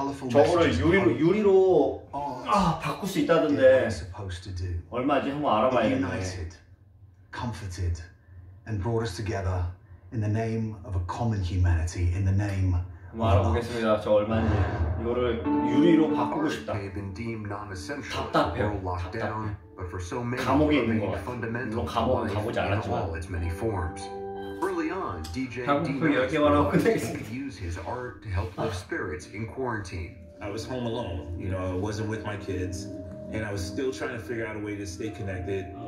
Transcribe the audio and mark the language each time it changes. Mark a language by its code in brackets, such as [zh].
[ko] 저거를 유리로 바꿀 수 있다던데 얼마지 한번 알아봐야겠네. [en] Comforted and brought us together in the name of a common humanity in the name of love. [ko] 알아보겠습니다. 저 얼마지 이거를 유리로 바꾸고 싶다. 답답해. [en] But for so many, the fundamental life in all its many forms. Early on, DJ could use his art to help lift spirits in quarantine. I was home alone, you know, I wasn't with my kids, and I was still trying to figure out a way to stay connected.